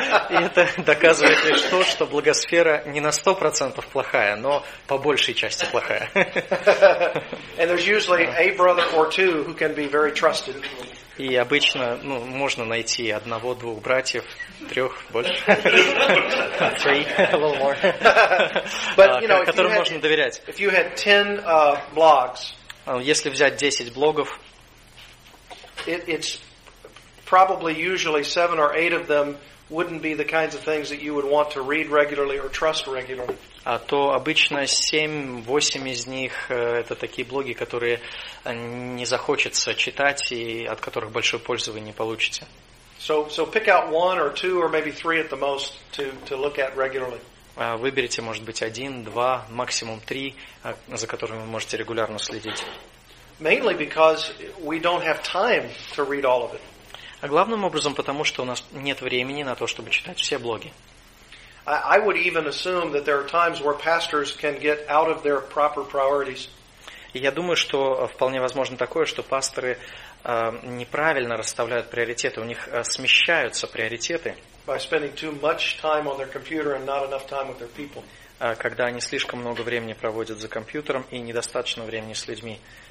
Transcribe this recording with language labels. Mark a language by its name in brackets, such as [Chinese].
[Russian] И это доказывает лишь то, что блогосфера не на 100% плохая, но по большей части плохая. [English] And there's usually a brother or two who can be very trusted. [Russian] И обычно, можно найти одного-двух братьев, трех, больше. [English] Three, a little more. But, you know, [Russian] которым [English] had, [Russian] можно доверять. [English] If you had 10 blogs, [Russian] если взять 10 блогов, [English] it's probably usually 7 or 8 of them wouldn't be the kinds of things that you would want to read regularly or trust regularly. [Russian] А то обычно 7-8 из них это такие блоги, которые не захочется читать и от которых большой пользы вы не получите. [English] So pick out one or two or maybe three at the most to look at regularly. [Russian] Выберите, может быть, 1-2, максимум 3, за которыми вы можете регулярно следить. [English] Mainly because we don't have time to read all of it. [Russian] А главным образом потому, что у нас нет времени на то, чтобы читать все блоги. [English] I would even assume that there are times where pastors can get out of their proper priorities. [Russian] Я думаю, что вполне возможно такое, что пасторы неправильно расставляют приоритеты, у них смещаются приоритеты. [English] By spending too much time on their computer and not enough time with their people. [Russian] Когда они слишком много времени проводят за компьютером и недостаточно времени с людьми.